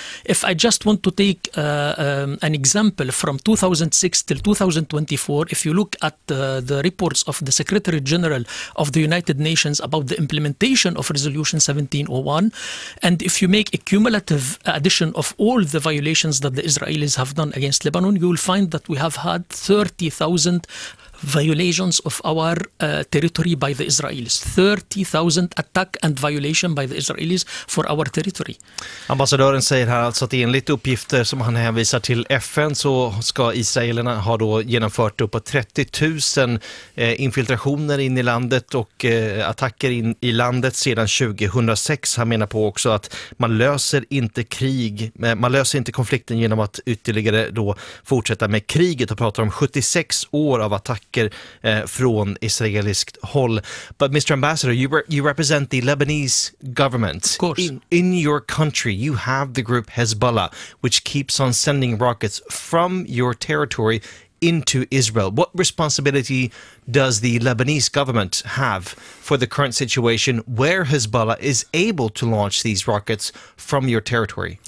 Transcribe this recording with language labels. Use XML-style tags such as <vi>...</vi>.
<en>If I just want to take an example from 2006 till 2024, if you look at the reports of the Secretary General of the United Nations about the implementation of Resolution 1701, and if you make a cumulative addition of all the violations that the Israelis have done against Lebanon, you will find that we have had 30,000 violations of our territory by the Israelis. 30,000 attack and violation by the Israelis for our territory.</en> <sv>Ambassadören säger här alltså att enligt uppgifter som han hänvisar till FN så ska israelerna ha då genomfört upp på 30 000 infiltrationer in i landet och attacker in i landet sedan 2006. Han menar på också att man löser inte konflikten genom att ytterligare då fortsätta med kriget och pratar om 76 år av attack från israeliskt håll.</sv> <en>But Mr. Ambassador, you represent the Lebanese government. Of course. In your country, you have the group Hezbollah, which keeps on sending rockets from your territory into Israel. What responsibility does the Lebanese government have for the current situation where Hezbollah is able to launch these rockets from your territory?</en>